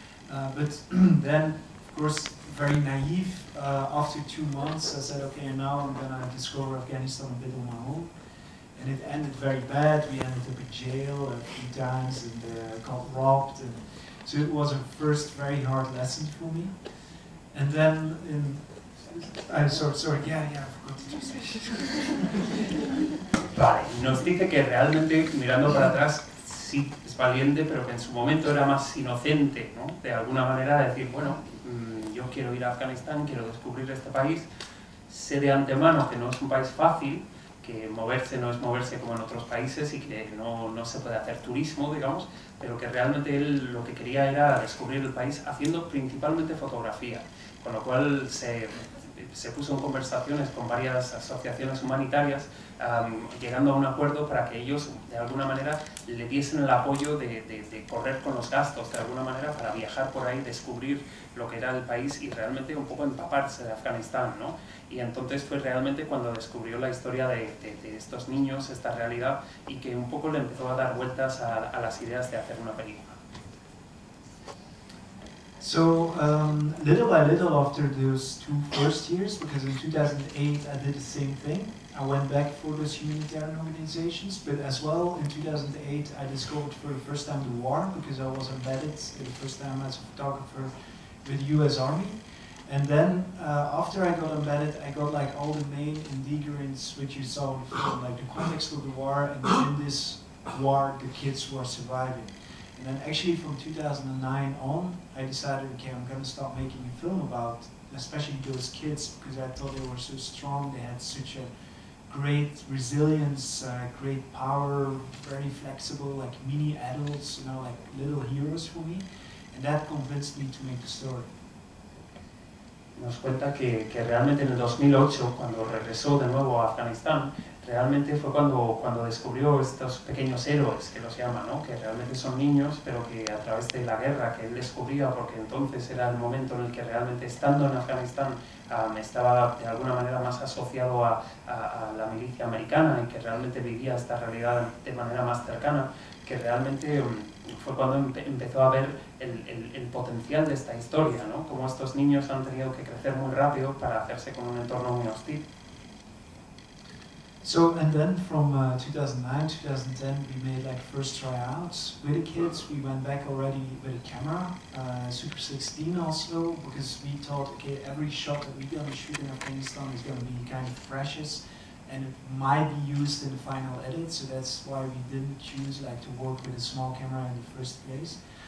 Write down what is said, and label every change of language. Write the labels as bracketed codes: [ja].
[en] But then, of course, very naive, after 2 months, I said, okay, now I'm gonna discover Afghanistan a bit on my own. And it ended very bad. We ended up in jail a few times and got robbed. And so it was a first very hard lesson for me. And then, in, I'm sorry, yeah, I forgot to just say. [es] Vale, nos dice que realmente, mirando para atrás, sí, es valiente, pero que en su momento era más inocente, ¿no? De alguna manera, decir, bueno, yo quiero ir a Afganistán, quiero descubrir este país. Sé de antemano que no es un país fácil, que moverse no es moverse como en otros países y que no se puede hacer turismo, digamos, pero que realmente él lo que quería era descubrir el país haciendo principalmente fotografía, con lo cual se puso en conversaciones con varias asociaciones humanitarias, llegando a un acuerdo para que ellos, de alguna manera, le diesen el apoyo de correr con los gastos, de alguna manera, para viajar por ahí, descubrir lo que era el país y realmente un poco empaparse de Afganistán, ¿no? Y entonces fue realmente cuando descubrió la historia de estos niños, esta realidad, y que un poco le empezó a dar vueltas a las ideas de hacer una película. [en] So, little by little after those two first years, because in 2008 I did the same thing, I went back for those humanitarian organizations, but as well in 2008 I discovered for the first time the war, because I was embedded for the first time as a photographer with the US Army. And then after I got embedded, I got like all the main ingredients which you saw before, like the context of the war, and in this war the kids were surviving. And then actually from 2009 on, I decided, okay, I'm gonna start making a film about especially those kids, because I thought they were so strong, they had such a great resilience, great power, very flexible, like mini adults, you know, like little heroes for me. And that convinced me to make the story. [es] Nos cuenta que realmente en el 2008, cuando regresó de nuevo a Afganistán, realmente fue cuando descubrió estos pequeños héroes, que los llama, ¿no? Que realmente son niños, pero que a través de la guerra que él descubría, porque entonces era el momento en el que realmente estando en Afganistán estaba de alguna manera más asociado a la milicia americana y que realmente vivía esta realidad de manera más cercana, que realmente fue cuando empezó a ver el potencial de esta historia, ¿no? Cómo estos niños han tenido que crecer muy rápido para hacerse con un entorno muy hostil. [en] So, and then from 2009, 2010, we made like first tryouts with the kids. We went back already with a camera, Super 16 also, because we thought, okay, every shot that we're gonna shoot in Afghanistan is gonna be kind of precious, and it might be used in the final edit, so that's why we didn't choose like to work with a small camera in the first place.